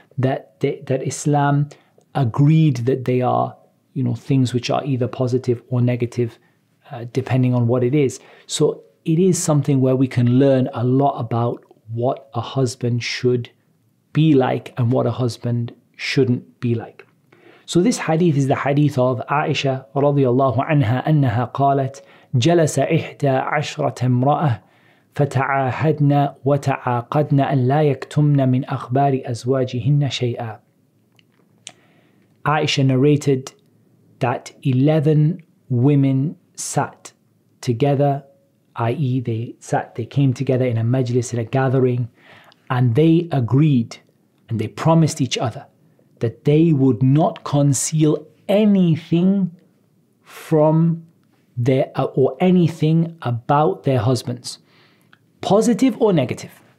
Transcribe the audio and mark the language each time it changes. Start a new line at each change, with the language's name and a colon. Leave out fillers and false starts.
English: that Islam agreed that they are, you know, things which are either positive or negative, depending on what it is. So it is something where we can learn a lot about what a husband should be like and what a husband shouldn't be like. So this hadith is the hadith of Aisha radiallahu anha, annaha qalat,
Arabic: جلس إحدى عشرة امرأة فتعاهدنا وتعاقدنا أن لا يكتمن من أخبار أزواجهن شيئا.
English: Aisha narrated that 11 women sat together, i.e. they came together in a majlis, in a gathering, and they agreed and they promised each other that they would not conceal anything from anything about their husbands, positive or negative.